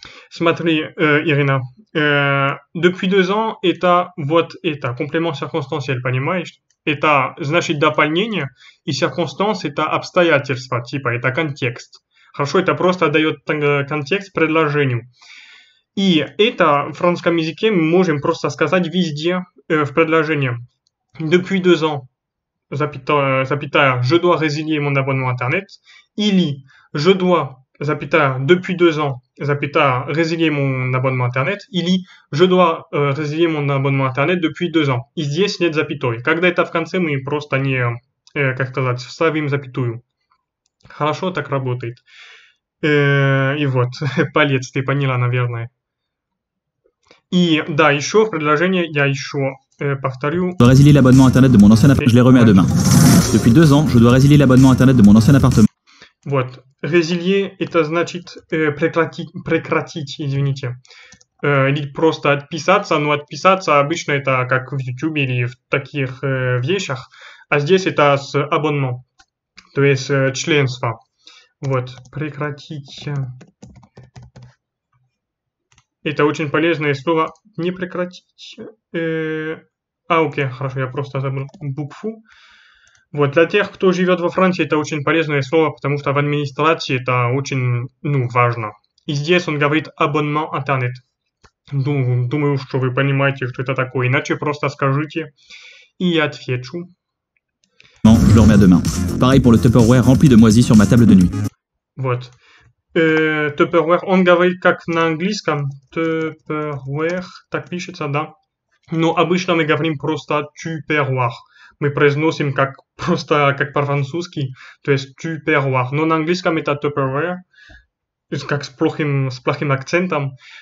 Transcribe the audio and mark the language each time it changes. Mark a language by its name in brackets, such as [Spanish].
[Russian] Смотри, Ирина, [French] depuis 2 ans, [Russian] это вот это комплимент circonstanciel, понимаешь? Это значит дополнение, и circonstance это обстоятельства, типа это контекст. Хорошо, это просто дает контекст предложению. И это в французском языке мы можем просто сказать везде, в предложении. [French] Depuis 2 ans, запятая, je dois résilier mon abonnement Internet. Или je dois, запятая, depuis 2 ans, запятая, résilier mon abonnement Internet. Или je dois résilier mon abonnement Internet depuis 2 ans. [Russian] И здесь нет запятой. Когда это в конце, мы просто не, как сказать, вставим запятую. Хорошо, так работает. И вот, палец, ты поняла, наверное. И да, еще в предложении я еще повторю. [French] Je dois résilier l'abonnement internet de mon ancien Ok, appartement. Je les remets à demain. [Russian] значит. [French] Depuis 2 ans, je dois résilier l'abonnement internet de mon ancien appartement. [Russian] Вот, résilier, это значит прекратить, извините. Или просто отписаться, но отписаться обычно это как в YouTube или в таких вещах. А здесь это с абонемент. То есть членство. Вот, прекратить. Это очень полезное слово. Не прекратить. А, окей, хорошо, я просто забыл букву. Вот, для тех, кто живет во Франции, это очень полезное слово, потому что в администрации это очень, ну, важно. И здесь он говорит абонемент интернет. Думаю, что вы понимаете, что это такое. Иначе просто скажите, и я отвечу. [French] Je le remets à demain. Pareil pour le Tupperware rempli de moisies sur ma table de nuit. [Russian] Вот. Tupperware, он говорит как на английском. Tupperware, так пишется, да. Но обычно мы говорим просто Tupperware. Мы произносим как просто как по-французски, то есть Tupperware. Но на английском это Tupperware, как с плохим акцентом.